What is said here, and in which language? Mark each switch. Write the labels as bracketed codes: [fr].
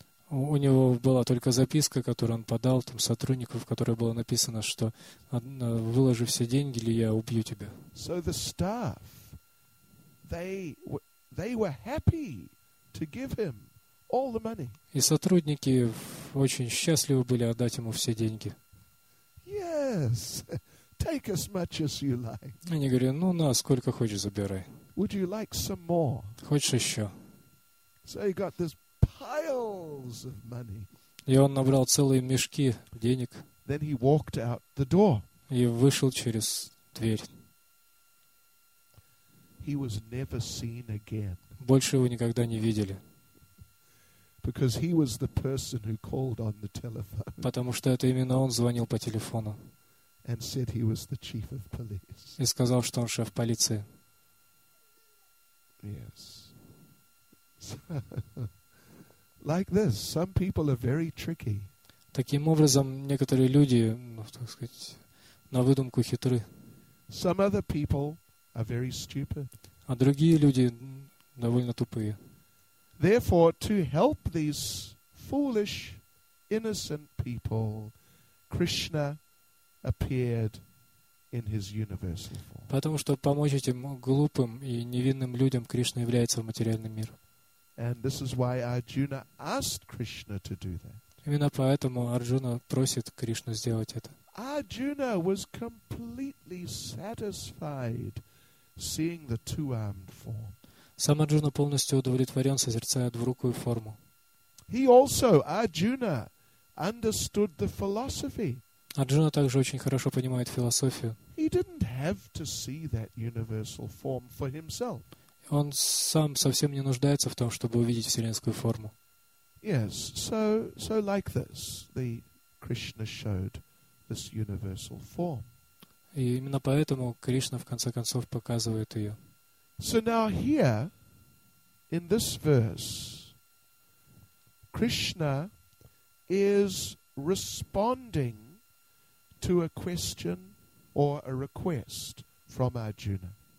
[ru] У него была только записка, которую он подал там сотруднику, в которой было написано, что выложи все деньги, или я убью тебя. [en] So the staff, they were happy to give him all the money. [ru] И сотрудники очень счастливы были отдать ему все деньги. [en] Yes. Take as much as you like. [ru] Они говорят: ну, на, сколько хочешь, забирай. [en] Would you like some more? [ru] Хочешь еще? [en] So he got this piles of money. [ru] И он набрал целые мешки денег. [en] Then he walked out the door. [ru] И вышел через дверь. [en] He was never seen again. [ru] Больше его никогда не видели. [en] Because he was the person who called on the telephone. [ru] Потому что это именно он звонил по телефону. [en] And said he was the chief of police. [ru] И сказал, что он шеф полиции. [en] Yes. Like this, some people are very tricky. [ru] Таким образом, некоторые люди, так сказать, на выдумку хитры. [en] Some other people are very stupid. [ru] А другие люди довольно тупые. [en] Therefore, to help these foolish, innocent people, Krishna appeared in his universal form. [ru] Потому что помочь этим глупым и невинным людям Кришна является в материальный мир. [en] And this is why Arjuna asked Krishna to do that. [ru] И Именно поэтому Арджуна просит Кришну сделать это. [en] Arjuna was completely satisfied seeing the two-armed form. [ru] Сам Арджуна полностью удовлетворен, созерцая двурукую форму. [en] He also, Arjuna, understood the philosophy. [ru] Арджуна также очень хорошо понимает философию. [en] He didn't have to see that universal form for himself. [ru] Он сам совсем не нуждается в том, чтобы увидеть вселенскую форму. [en] Yes, so like this, the Krishna showed this universal form. [ru] И именно поэтому Кришна в конце концов показывает ее. [en] So now here, in this verse, Krishna is responding to a question or a request from Arjuna.